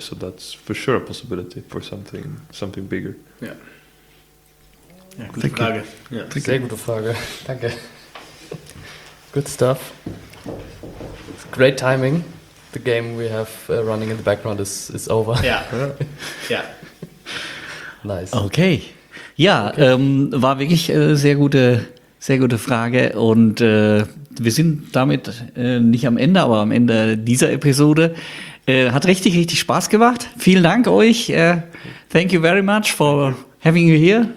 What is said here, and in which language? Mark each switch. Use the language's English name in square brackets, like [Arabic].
[English] So that's for sure a possibility for something bigger. Yeah. Yeah. Good question. Yeah. [German] Sehr gute Frage. Danke. [English] Good stuff. It's great timing. the game we have running in the background is over. Yeah. Nice. Okay. [German] Ja, war wirklich sehr gute Frage und wir sind damit nicht am Ende, aber am Ende dieser Episode. Hat richtig, richtig Spaß gemacht. Vielen Dank euch. [English] Thank you very much for having you here.